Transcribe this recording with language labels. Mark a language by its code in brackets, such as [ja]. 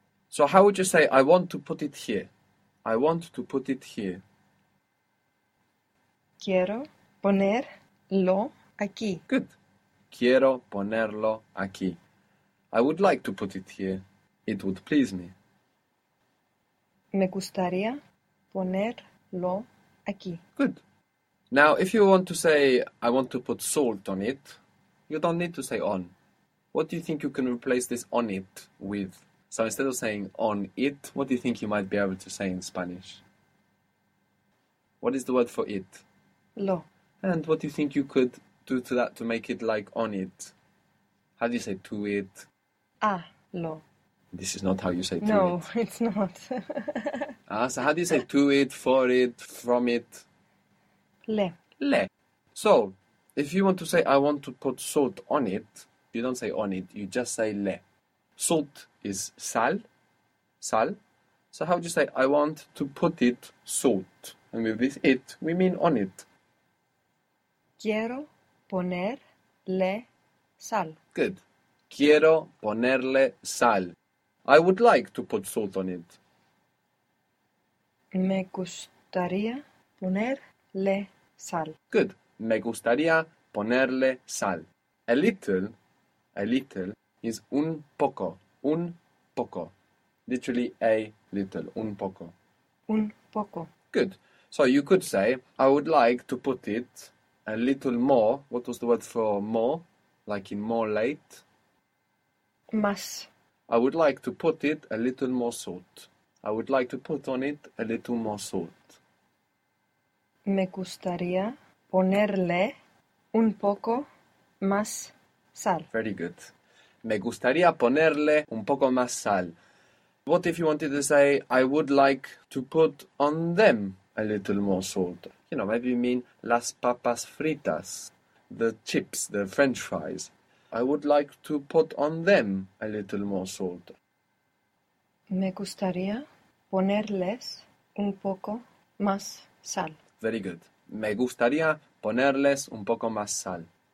[en] So how would you say, I want to put it here? I want to put it here. [es] Quiero ponerlo aquí. Good. Quiero ponerlo aquí. [en] I would like to put it here. It would please me. [es] Me gustaría ponerlo aquí. [en] Good. Now, if you want to say, I want to put salt on it, you don't need to say on. What do you think you can replace this on it with? So instead of saying on it, what do you think you might be able to say in Spanish? What is the word for it? [es] Lo. [en] And what do you think you could do to that to make it like on it? How do you say to it? [es] A lo. [en] This is not how you say to no, it. No, it's not. So how do you say to it, for it, from it? [es] Le. Le. [en] So, if you want to say I want to put salt on it, you don't say on it, you just say le. Salt is sal, sal. So how would you say, I want to put it salt? And with this it, we mean on it. [es] Quiero ponerle sal. Good. Quiero ponerle sal. [en] I would like to put salt on it. [es] Me gustaría ponerle sal. [en] Good. [es] Me gustaría ponerle sal. [en] A little, is [es] un poco. Un poco. [en] Literally, a little. [es] Un poco. Un poco. [en] Good. So you could say, I would like to put it a little more. What was the word for more? Like in more late? [es] Más. [en] I would like to put it a little more salt. I would like to put on it a little more salt. [es] Me gustaría ponerle un poco más sal. [en] Very good. [es] Me gustaría ponerle un poco más sal. [en] What if you wanted to say, I would like to put on them a little more salt? You know, maybe you mean [es] las papas fritas, [en] the chips, the french fries. I would like to put on them a little more salt. [es] Me gustaría ponerles un poco más sal. [en] Very good. [es] Me gustaría ponerles un poco más sal.